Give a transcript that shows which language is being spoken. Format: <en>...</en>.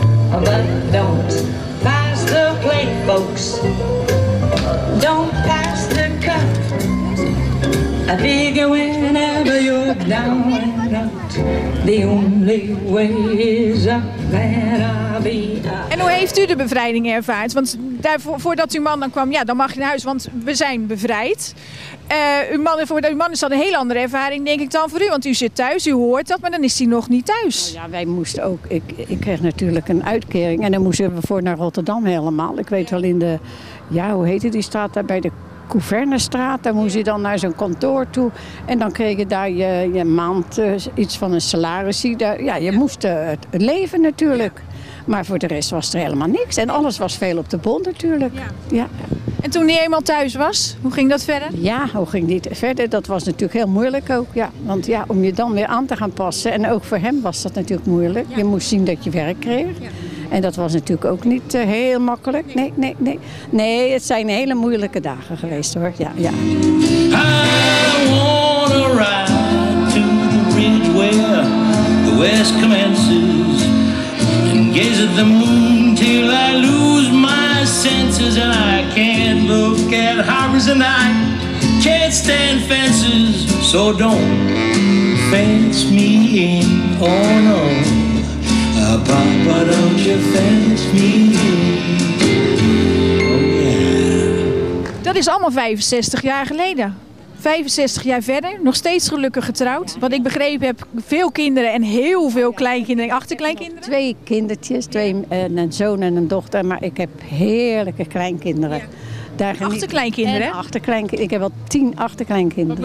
<en>But don't pass the plate, folks. Don't pass the cup. I figure whenever you're down and out, the only way is up and I'll be up.</en> <nl>En hoe heeft u de bevrijding ervaard? Want voordat uw man dan kwam, ja, dan mag je naar huis, want we zijn bevrijd. Uw man is dan een heel andere ervaring, denk ik, dan voor u. Want u zit thuis, u hoort dat, maar dan is hij nog niet thuis. Nou ja, wij moesten ook. Ik kreeg natuurlijk een uitkering en dan moesten we voor naar Rotterdam helemaal. Ik weet wel in de, hoe heet het, die straat daar bij de Couvernestraat. Daar moest je dan naar zijn kantoor toe. En dan kreeg je daar je maand iets van een salaris. Moest het leven natuurlijk. Ja. Maar voor de rest was er helemaal niks. En alles was veel op de bon natuurlijk. Ja. Ja. En toen hij eenmaal thuis was, hoe ging dat verder? Ja, hoe ging dit verder? Dat was natuurlijk heel moeilijk ook. Ja. Want ja, om je dan weer aan te gaan passen. En ook voor hem was dat natuurlijk moeilijk. Ja. Je moest zien dat je werk kreeg. Ja. En dat was natuurlijk ook niet heel makkelijk. Nee. Nee, het zijn hele moeilijke dagen geweest hoor. Ja, ja.</nl> <en>I wanna ride to the ridge where the west commences. Gaze at the moon till I lose my senses. And I can't look at harbors and I can't stand fences. So don't fence me in, oh no. Papa, don't you fence me in, oh yeah.</en> <nl>Dat is allemaal 65 jaar geleden. 65 jaar verder, nog steeds gelukkig getrouwd. Wat ik begrepen heb, veel kinderen en heel veel kleinkinderen en achterkleinkinderen. Twee kindertjes, een zoon en een dochter. Maar ik heb heerlijke kleinkinderen. Daar achterkleinkinderen? Ik heb al 10 achterkleinkinderen.</nl>